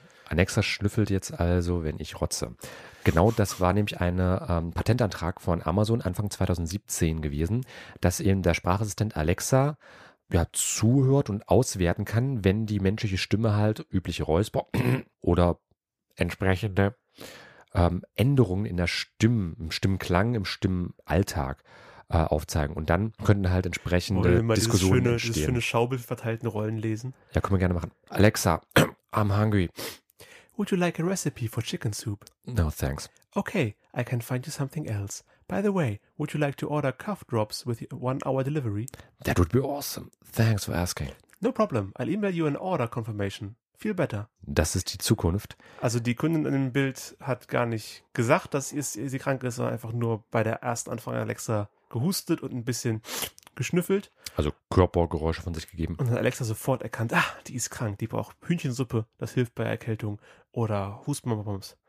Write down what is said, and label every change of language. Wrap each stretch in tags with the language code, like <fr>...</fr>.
<de>Alexa schnüffelt jetzt also, wenn ich rotze. Genau, das war nämlich ein Patentantrag von Amazon Anfang 2017 gewesen, dass eben der Sprachassistent Alexa ja zuhört und auswerten kann, wenn die menschliche Stimme halt übliche Räusper oder entsprechende Änderungen in der Stimme, im Stimmklang, im Stimmalltag aufzeigen. Und dann könnten halt entsprechende Diskussionen entstehen. Dieses schöne Schaubild verteilten Rollen lesen. Ja, können wir gerne machen.</de> <en>Alexa, I'm hungry. Would you like a recipe for chicken soup? No, thanks. Okay, I can find you something else. By the way, would you like to order cough drops with 1 hour delivery? That would be awesome. Thanks for asking. No problem. I'll email you an order confirmation. Feel better.</en> <de>Das ist die Zukunft. Also die Kundin in dem Bild hat gar nicht gesagt, dass sie krank ist, sondern einfach nur bei der ersten Anfrage Alexa gehustet und ein bisschen geschnüffelt. Also Körpergeräusche von sich gegeben. Und dann Alexa sofort erkannt, die ist krank, die braucht Hühnchensuppe, das hilft bei Erkältung oder Hustenbonbons.</de>